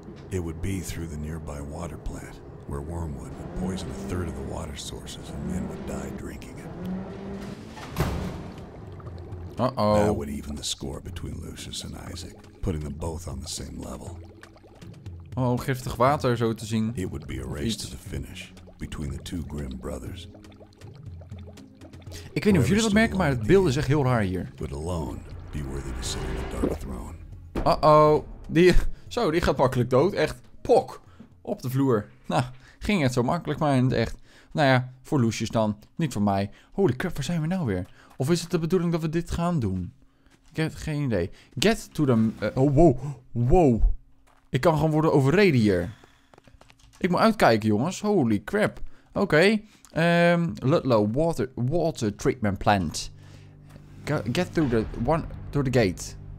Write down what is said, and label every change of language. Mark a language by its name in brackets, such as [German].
[English] It would be through the nearby water plant. Where wormwood would poison a third of the water sources and men would die drinking it. Uh-oh. That would even the score between Lucius and Isaac, putting them both on the same level. [Dutch] Oh, giftig water, zo te zien. [English] It would be a race to the finish between the two grim brothers. [Dutch] Ik weet niet of jullie dat merken, maar het beeld is echt heel raar hier. [English] Would alone be worthy to sit on the dark throne. Uh-oh. [Dutch] die gaat makkelijk dood. Echt, pok, op de vloer. Nou, ging het zo makkelijk, maar in het echt. Nou ja, voor Lucius dan, niet voor mij. [English] Holy crap, [Dutch] waar zijn we nou weer? Of is het de bedoeling dat we dit gaan doen? Ik heb geen idee. [English] Get to the... [Dutch] Wow. Ik kan gewoon worden overreden hier. Ik moet uitkijken, jongens. [English] Holy crap. Oké. Ludlow, water treatment plant. Get through the one through the gate.